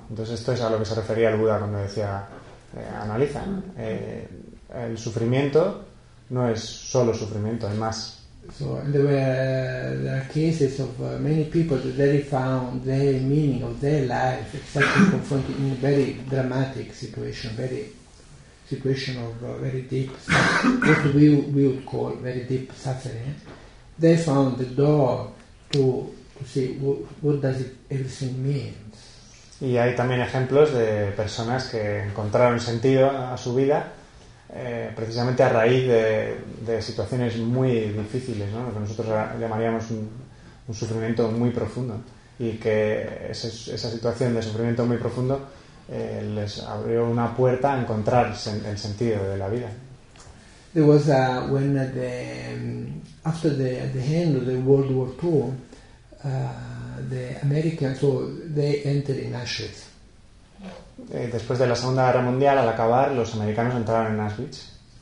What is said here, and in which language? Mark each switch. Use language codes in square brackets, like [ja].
[es] Entonces, esto es a lo que se refería el Buda cuando decía, analiza, el sufrimiento no es solo sufrimiento, hay más. [en] So there are cases of many people that they found the meaning of their life exactly confronted in a very dramatic situation, very deep what we would call very deep suffering. They found the door to see what does it everything means. [es] Y hay también ejemplos de personas que encontraron sentido a su vida. Precisamente a raíz de situaciones muy difíciles, ¿no? Lo que nosotros llamaríamos un sufrimiento muy profundo, y que esa situación de sufrimiento muy profundo les abrió una puerta a encontrar el sentido de la vida. [en] There was when after the end of the World War II, the Americans, so they entered in Auschwitz. [es] Después de la Segunda Guerra Mundial, al acabar, los americanos entraron en Auschwitz.